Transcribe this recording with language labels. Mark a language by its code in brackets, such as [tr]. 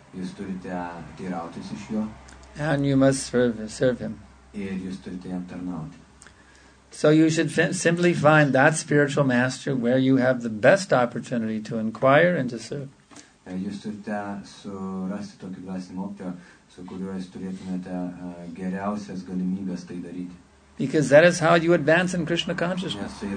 [lt] Jūs turite teirautis iš jo, [en] and you must serve him. [lt] Ir jūs turite jam tarnauti. [en] So you should simply find that spiritual master where you have the best opportunity to inquire and to serve. [lt] Jūs turite surasti tokį dvasinį mokytoją, su kuriuo jūs turėtumėte geriausias galimybės tai daryti. [en] Because that is how you advance in Krishna consciousness.